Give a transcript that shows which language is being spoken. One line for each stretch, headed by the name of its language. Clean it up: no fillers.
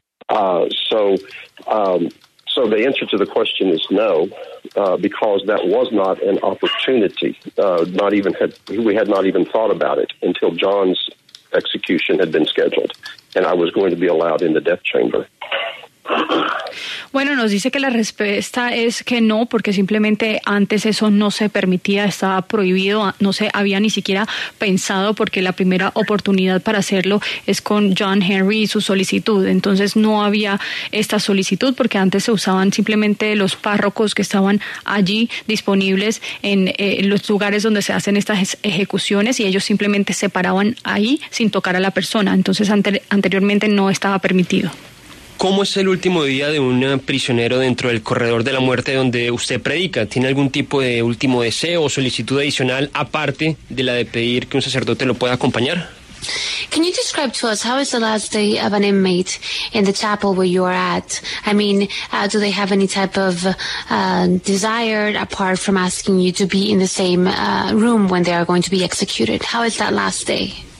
English: So the answer to the question is no, because that was not an opportunity. We had not even thought about it until John's execution had been scheduled, and I was going to be allowed in the death chamber.
Spanish: Bueno, nos dice que la respuesta es que no, porque simplemente antes eso no se permitía, estaba prohibido, no se había ni siquiera pensado, porque la primera oportunidad para hacerlo es con John Henry y su solicitud. Entonces no había esta solicitud, porque antes se usaban simplemente los párrocos que estaban allí disponibles en los lugares donde se hacen estas ejecuciones, y ellos simplemente se paraban ahí sin tocar a la persona. Entonces anteriormente no estaba permitido. ¿Cómo es el último día de un prisionero dentro del corredor de la muerte donde usted predica? ¿Tiene algún tipo de último deseo o solicitud adicional aparte de la de pedir que un sacerdote lo pueda acompañar?
English: Can you describe to us how is the last day of an inmate in the chapel where you are at? I mean, do they have any type of desire apart from asking you to be in the same room when they are going to be executed? How is that last day?